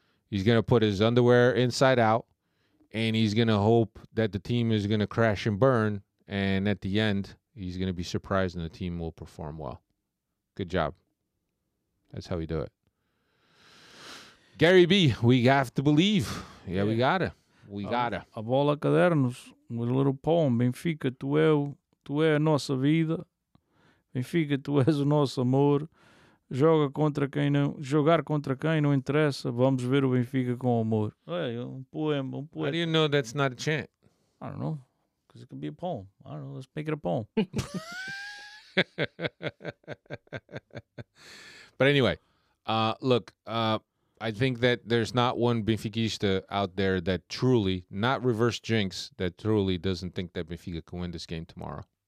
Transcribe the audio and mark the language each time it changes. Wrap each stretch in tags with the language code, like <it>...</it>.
<en>He's going to put his underwear inside out, and he's going to hope that the team is going to crash and burn, and at the end, he's going to be surprised and the team will perform well. Good job. That's how we do it. Gary B., we have to believe. Yeah, we got it. We got it. A bola cadernos with a little poem.</en> <pt>Benfica, tu é a nossa vida. Benfica, tu és o nosso amor. Jogar contra quem não interessa. Vamos ver o Benfica com amor. Hey, um poema.</pt> <en>How do you know that's not a chant? I don't know. Because it could be a poem. I don't know. Let's make it a poem. But anyway, look, I think that there's not one Benfiquista out there that truly, not reverse jinx, that truly doesn't think that Benfica can win this game tomorrow.</en>